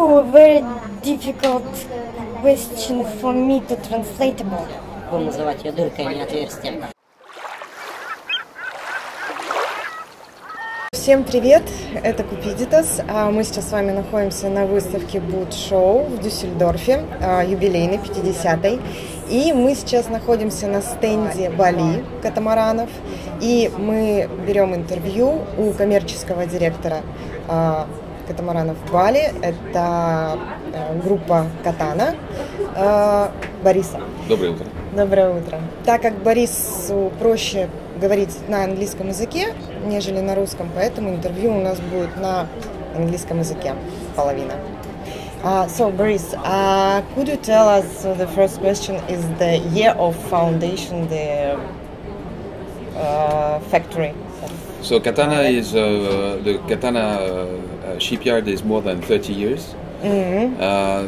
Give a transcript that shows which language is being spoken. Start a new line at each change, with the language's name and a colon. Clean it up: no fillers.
English: very difficult question for me to translate about.
Russian: Будем называть ее дыркой, а не отверстием. Всем привет, это Cupiditas, мы сейчас с вами находимся на выставке Boot Show в Дюссельдорфе, юбилейной, 50-й, и мы сейчас находимся на стенде Bali катамаранов, и мы берем интервью у коммерческого директора катамаранов Bali, это группа Катана, Бориса. Доброе утро. Доброе утро. Так как Борису проще говорить на английском языке, нежели на русском, поэтому интервью у нас будет на английском языке половина.
English: So, Boris, could you tell us, so the first question is the year of foundation, the factory? So, Katana is, the Katana shipyard is more than 30 years. Mm-hmm.